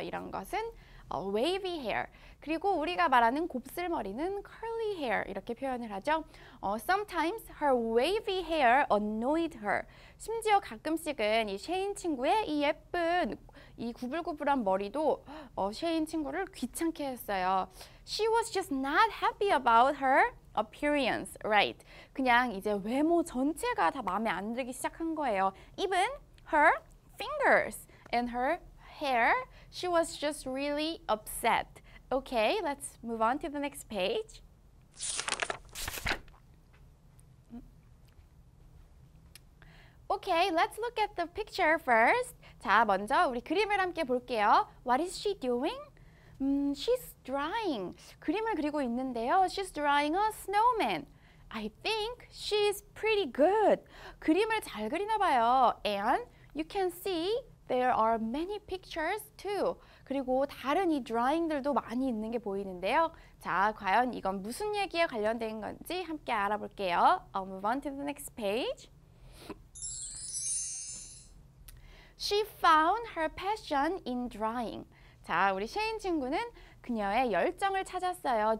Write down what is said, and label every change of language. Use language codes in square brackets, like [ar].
[ko] 이런 것은 [en] wavy hair. [ko] 그리고 우리가 말하는 곱슬머리는 [en] curly hair [ko] 이렇게 표현을 하죠. [en] Sometimes her wavy hair annoyed her. [ko] 심지어 가끔씩은 이 셰인 친구의 이 예쁜 이 구불구불한 머리도 셰인 친구를 귀찮게 했어요. [en] She was just not happy about her appearance, right? [ko] 그냥 이제 외모 전체가 다 마음에 안 들기 시작한 거예요. [en] Even her fingers and her hair. She was just really upset. Okay, let's move on to the next page. Okay, let's look at the picture first. [ko] 자, 먼저 우리 그림을 함께 볼게요. [en] What is she doing? She's drawing. [ko] 그림을 그리고 있는데요. [en] She's drawing a snowman. I think she's pretty good. [ko] 그림을 잘 그리나 봐요. [en] And you can see there are many pictures too. [ko] 그리고 다른 이 drawing들도 많이 있는 게 보이는데요. 자, 과연 이건 무슨 얘기에 관련된 건지 함께 알아볼게요. [en] I'll move on to the next page. She found her passion in drawing. [ko] 자, 우리 셰인 친구는 그녀의 열정을 찾았어요.